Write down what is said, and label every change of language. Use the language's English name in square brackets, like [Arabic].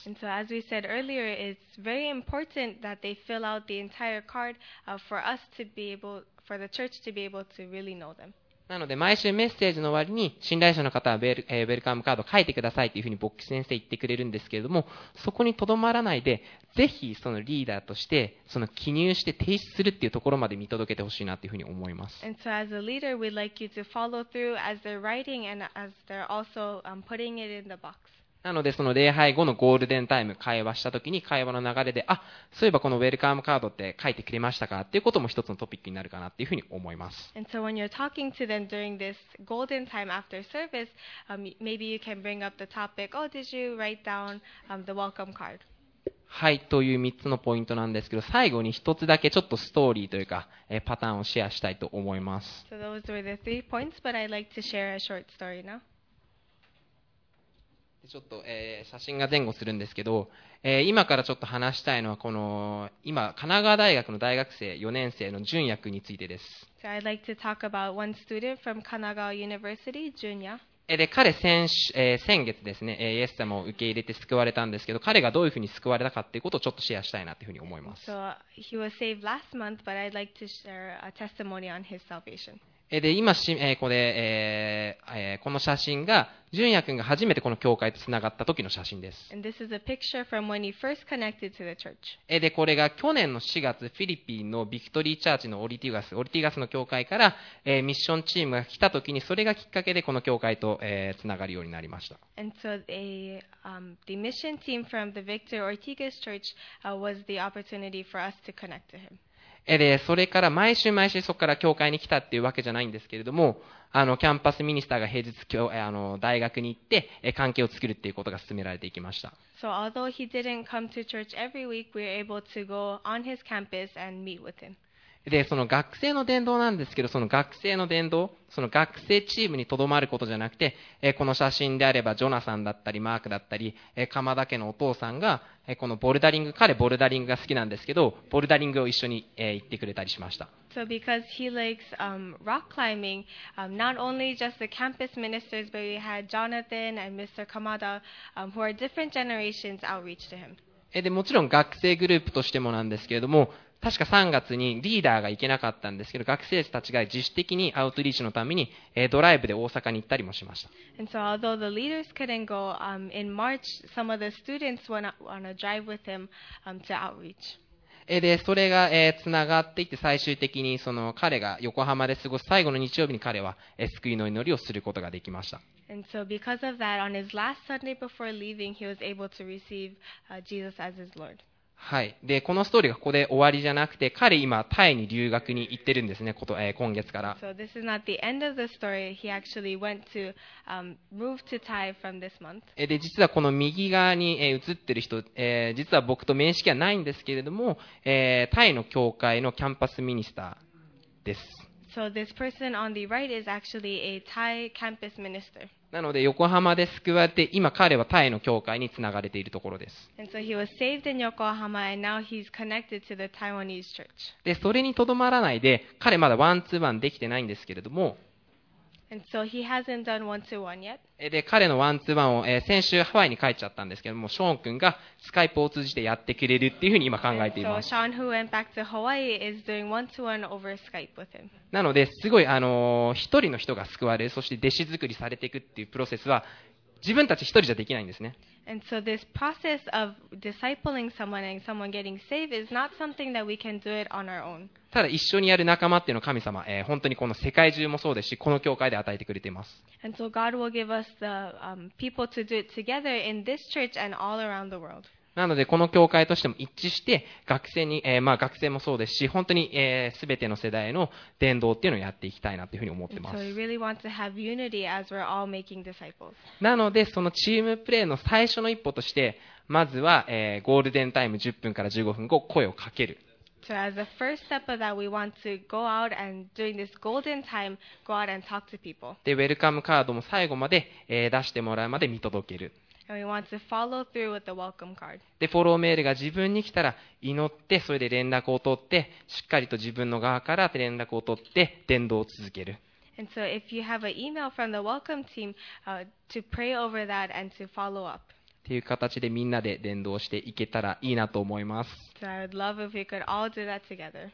[English] And so as we said earlier, it's very important that they fill out the entire card, for us to be able... For the church to be able to really know them. [Japanese] なので毎週メッセージの終わりに信頼者の方はウェルカムカード書いてくださいというふうに牧師先生言ってくれるんですけれども、そこにとどまらないでぜひそのリーダーとしてその記入して提出するというところまで見届けてほしいなというふうに思います。 [English] And so as a leader, we'd like you to follow through as they're writing and as they're also putting it in the box. [Japanese] なのでその礼拝後のゴールデンタイム、会話したときに会話の流れで、あ、そういえばこのウェルカムカードって書いてくれましたかっていうことも一つのトピックになるかなっていうふうに思います。 [English] And so when you're talking to them during this golden time after service, maybe you can bring up the topic, oh, did you write down, the welcome card? [Japanese] はい、という3つのポイントなんですけど、最後に1つだけちょっとストーリーというか、パターンをシェアしたいと思います。 [English] So those were the three points, but I'd like to share a short story now. [Japanese] ちょっと、写真が前後するんですけど、今からちょっと話したいのはこの今神奈川大学の大学生4年生の純也くんについてです。 [English] So I'd like to talk about one student from Kanagawa University, Junya. [Japanese] で彼先月ですね、イエス様を受け入れて救われたんですけど、彼がどういうふうに救われたかっていうことをちょっとシェアしたいなというふうに思います。 [English] So he was saved last month, but I'd like to share a testimony on his salvation. [Japanese] で今し、この写真が純也君が初めてこの教会とつながった時の写真です。 [English] And this is a picture from when he first connected to the church. [Japanese] でこれが去年の4月フィリピンのビクトリーチャーチのオリティガスの教会から、ミッションチームが来た時にそれがきっかけでこの教会と、つながるようになりました。 [English] And so the mission team from the Victor Ortigas Church was the opportunity for us to connect to him. [Japanese] でそれから毎週毎週そこから教会に来たっていうわけじゃないんですけれども、あのキャンパスミニスターが平日大学に行って関係を作るっていうことが進められていきました。 [English] So although he didn't come to church every week, we were able to go on his campus and meet with him. [Japanese] でその学生の伝道なんですけど、その学生の伝道、その学生チームにとどまることじゃなくて、この写真であればジョナサンだったりマークだったり鎌田家のお父さんがこのボルダリング、彼ボルダリングが好きなんですけど、ボルダリングを一緒に、行ってくれたりしました。 [English] So because he likes, rock climbing, not only just the campus ministers, but we had Jonathan and Mr. Kamada, who are different generations outreach to him. [Japanese] で、もちろん学生グループとしてもなんですけれども、確か3月にリーダーが行けなかったんですけど、学生たちが自主的にアウトリーチのためにドライブで大阪に行ったりもしました。 [English] And so although the leaders couldn't go, in March, some of the students went on a drive with him, to outreach. [Japanese] で、それが、つながっていって最終的にその彼が横浜で過ごす最後の日曜日に彼は、救いの祈りをすることができました。 [English] And so because of that, on his last Sunday before leaving, he was able to receive, Jesus as his Lord. [Japanese] はい、でこのストーリーがここで終わりじゃなくて、彼今タイに留学に行ってるんですね、今月から。 [English] So this is not the end of the story. He actually went to, move to Thai from this month. [Japanese] で実はこの右側に映ってる人、実は僕と面識はないんですけれども、タイの教会のキャンパスミニスターです。 [English] So this person on the right is actually a Thai campus minister. [Japanese] なので横浜で救われて今彼はタイの教会につながれているところです。でそれにとどまらないで、彼まだワンツーワンできてないんですけれども、 [English] And so he hasn't done one-to-one yet. [Japanese] で彼のワンツーワンを、先週ハワイに帰っちゃったんですけども、ショーン君がスカイプを通じてやってくれるっていうふうに今考えています。 [English] So Sean who went back to Hawaii is doing one-to-one over Skype with him. [Japanese] なのですごい一人の人が救われ、そして弟子作りされていくっていうプロセスは自分たち一人じゃできないんですね。 [English] And so this process of discipling someone and someone getting saved is not something that we can do it on our own. [Japanese] ただ一緒にやる仲間っていうのを神様、本当にこの世界中もそうですし、この教会で与えてくれています。 [English] And so God will give us the people to do it together in this church and all around the world. [Japanese] なのでこの教会としても一致して学生に、学生もそうですし、本当に、全ての世代の伝道っていうのをやっていきたいなというふうに思ってます。 [English] And so we really want to have unity as we're all making disciples. [Japanese] なのでそのチームプレーの最初の一歩として、まずは、ゴールデンタイム10分から15分後声をかける。 [English] So as the first step of that, we want to go out and during this golden time, go out and talk to people. [Japanese] で、ウェルカムカードも最後まで、出してもらうまで見届ける。 [English] And we want to follow through with the welcome card. [Japanese] で、フォローメールが自分に来たら祈って、それで連絡を取って、しっかりと自分の側から連絡を取って、伝道を続ける。 [English] And so if you have an email from the welcome team, to pray over that and to follow up. [Japanese] っていう形でみんなで伝道していけたらいいなと思います。 [English] So I would love if we could all do that together.